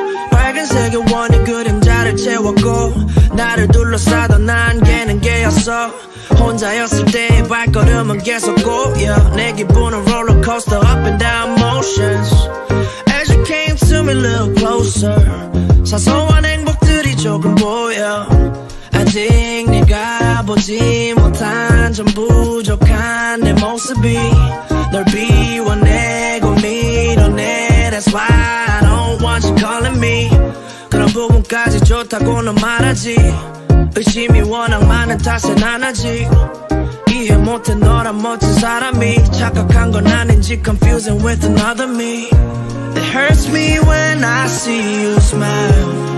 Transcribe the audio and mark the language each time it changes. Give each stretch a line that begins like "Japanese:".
Korean: 빨간색의 원의 그림자를 채웠고. 나를 둘러싸던 안개는 깨었어. 혼자였을 때의 발걸음은 계속 꼬여. 내 기분은
English: rollercoaster up and down motions. As you came to me a little closer.
Korean: 사소한 행복들이 조금 보여. 아직 네가 보지 못한 전 부족한 내 모습이 널 비워내고 밀어내.
English: That's why I don't want you calling me.
Korean: 그런 부분까지 좋다고는 말하지. 의심이 워낙 많은 탓에 난 아직 이해 못해. 너란 멋진 사람이 착각한 건 아닌지
English: confusing with another me. It hurts me when I see you smile.